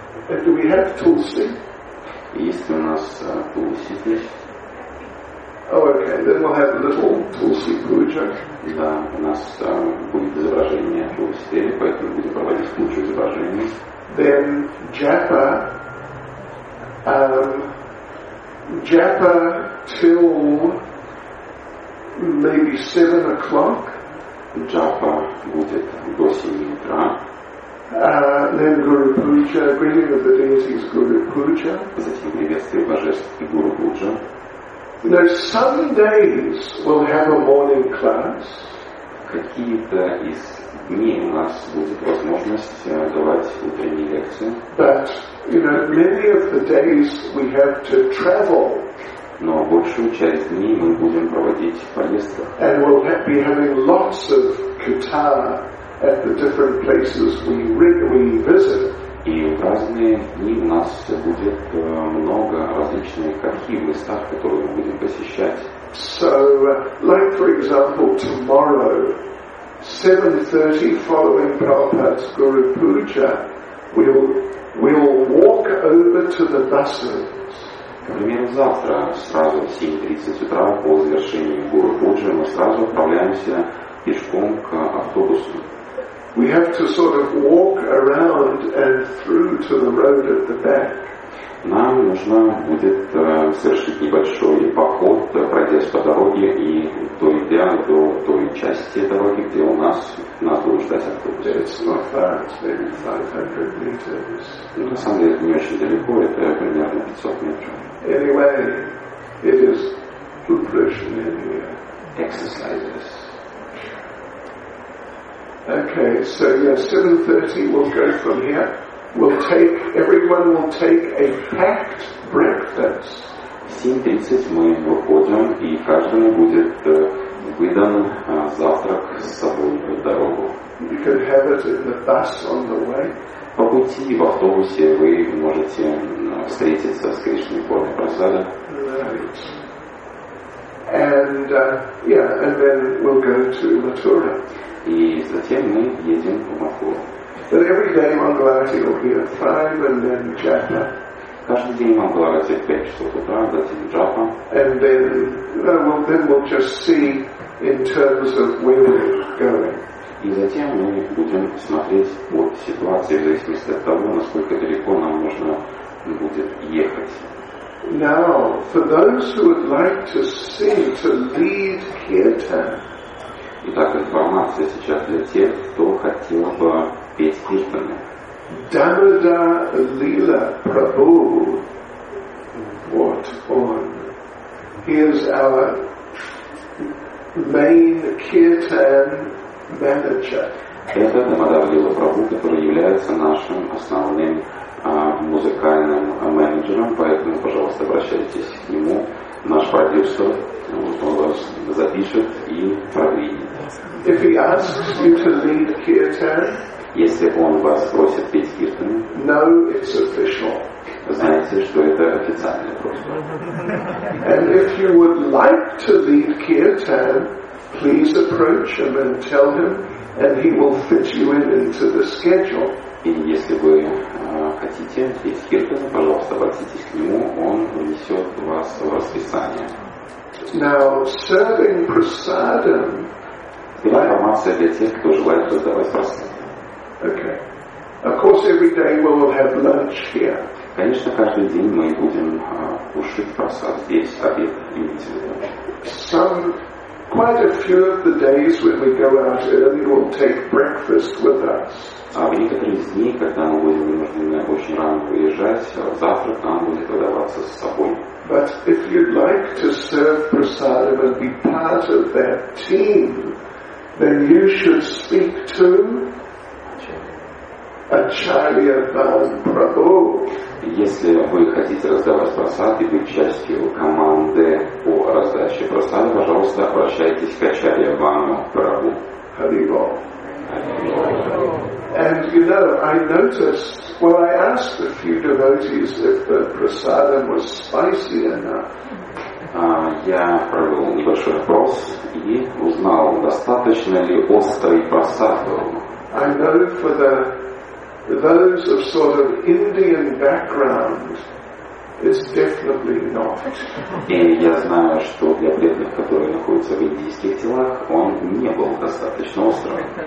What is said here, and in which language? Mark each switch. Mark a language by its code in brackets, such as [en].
[en] And do we have Tulsi? [ru] Есть у нас Tulsi здесь. [en] Oh, okay, then we'll have a little Tulsi puja. [ru] Да, у нас будет изображение Tulsi, поэтому будем проводить кучу изображений. [en] Then japa. Japa till maybe 7 o'clock. [ru] Джапа будет до 7 утра. [en] Then Guru Puja, greeting of the deities is Guru Puja. [ru] Затем приветствие божеств и Гуру Пуджа. [en] Now some days we'll have a morning class. [ru] Какие-то из дней у нас будет возможность давать утренние лекции. [en] But you know, many of the days we have to travel. [ru] Но большую часть дней мы будем проводить в поездках. [en] And we'll be having lots of katha at the different places we visit. [ru] И в разные дни у нас будет много различных кахи, местах, которые мы будем посещать. [en] So, like for example, tomorrow, 7:30, following Prabhupada's Guru Puja, we'll walk over to the buses. [ru] Например, завтра сразу в 7:30 утра по завершении Гуру Пуджи мы сразу отправляемся пешком к автобусу. [en] We have to sort of walk around and through to the road at the back. [ru] Нам нужно будет совершить небольшой поход, пройдясь по дороге и дойдя до той части дороги, где у нас надо ждать автобус. [en] It's not far, it's maybe 500 meters. [ru] Ну, на самом деле, это не очень далеко, это примерно 500 метров. [en] Anyway, it is lubrication in here. Exercises. Okay, so yeah, 7:30 we'll go from here. Everyone will take a packed breakfast. [ru] 7:30 мы выходим, и каждому будет выдан завтрак с собой в дорогу. [en] You can have it in the bus on the way. [ru] По пути в автобусе вы можете встретиться с Кришной Формой Прасада. [en] Right. And yeah, and then we'll go to Mathura. [ru] И затем мы едем в Махур. [en] But every day Mangalarati will be at 5 and then Japa. [ru] Каждый день Mangalarati 5 часов утра, затем Джапа. [en] And then, you know, we'll just see in terms of where we're going. [ru] И затем мы будем смотреть вот ситуации в зависимости от того, насколько далеко нам нужно будет ехать. [en] Now, for those who would like to sing, to lead kirtan. [ru] Итак, информация сейчас для тех, кто хотел бы петь киртаны. Дамода Лила Прабу. Вот он. [en] Here's our main kirtan manager. [ru] Это Дамода Лила Прабу, который является нашим основным музыкальным менеджером, поэтому, пожалуйста, обращайтесь к нему. Наш продюсер, вот он вас запишет и проведет. [en] If he asks you to lead kirtan, [ru] если он вас просит петь киртан, [en] no, it's official. [ru] Знаете, что это официальная просьба. [en] And if you would like to lead kirtan, please approach him and tell him, and he will fit you in into the schedule. [ru] И если вы хотите петь киртан, пожалуйста, обратитесь к нему, он внесет вас в расписание. [en] Now, serving prasadam. [ru] Для информации для тех, кто желает раздавать просады. [en] Okay. Of course, every day we will have lunch here. [ru] Конечно, каждый день мы будем кушать просад здесь, обед имеется в виду. [en] Some, quite a few of the days when we go out early, we'll take breakfast with us. [ru] А в некоторые из дней, когда мы будем вынуждены очень рано выезжать, завтрак нам будет подаваться с собой. [en] But if you'd like to serve prasadam and be part of that team, then you should speak to Acharya Bal Prabhu. [ru] Если вы хотите раздавать просад и быть частью команды по раздаче просад, пожалуйста, обращайтесь к Acharya Bal Prabhu. Haribo. [en] And you know, I noticed, well, I asked a few devotees if the prasadam was spicy enough. [ru] Я провел небольшой опрос и узнал, достаточно ли острый просад был. [en] I know for those of sort of Indian background, it's definitely not. [ru] И я знаю, что для преданных, которые находятся в индийских телах, он не был достаточно острым.